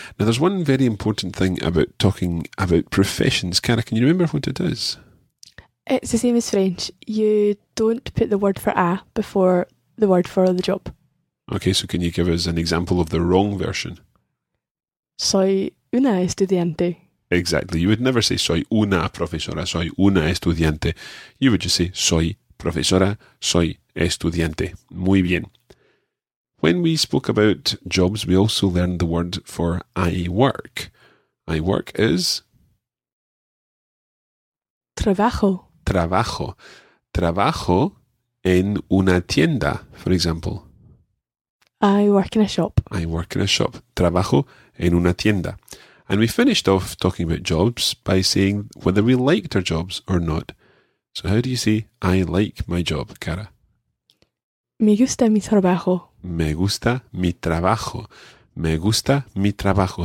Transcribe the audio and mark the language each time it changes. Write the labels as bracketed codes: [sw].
[en] Now, there's one very important thing about talking about professions. Cara, can you remember what it is? It's the same as French. You don't put the word for a before the word for the job. Okay, so can you give us an example of the wrong version? [es] Soy una estudiante. [en] Exactly. You would never say soy una profesora, soy una estudiante. You would just say [es] soy profesora, soy estudiante. Muy bien. [en] When we spoke about jobs, we also learned the word for I work. I work is? [es] Trabajo. Trabajo. Trabajo en una tienda, [en] for example. I work in a shop. I work in a shop. [es] Trabajo en una tienda. [en] And we finished off talking about jobs by saying whether we liked our jobs or not. So how do you say, I like my job, Cara? [es] Me gusta mi trabajo. Me gusta mi trabajo. Me gusta mi trabajo.